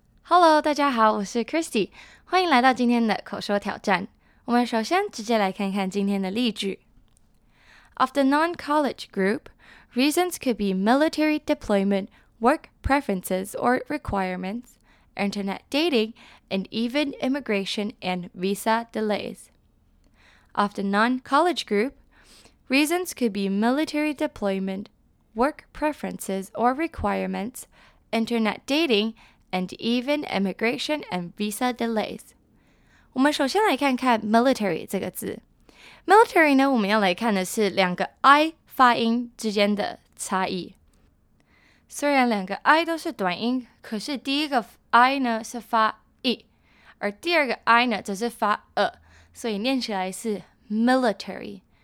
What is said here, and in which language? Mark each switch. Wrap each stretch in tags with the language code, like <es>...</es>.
<zh>Hello， 大家好，我是 Christy， 欢迎来到今天的口说挑战。我们首先直接来看看今天的例句。</zh> <en>Of the non-college group, reasons could be military deployment, work preferences or requirements, internet dating, and even immigration and visa delays. Of the non-college group, reasons could be military deployment, work preferences or requirements, internet dating,and even immigration and visa delays.</en> <zh>我们首先来看看 military 这个字。Military 呢，我们要来看的是两个 I 发音之间的差异。虽然两个 I 都是短音，可是第一个 I 呢是发 E， 而第二个 I 呢则是发 E， 所以念起来是 military。</zh>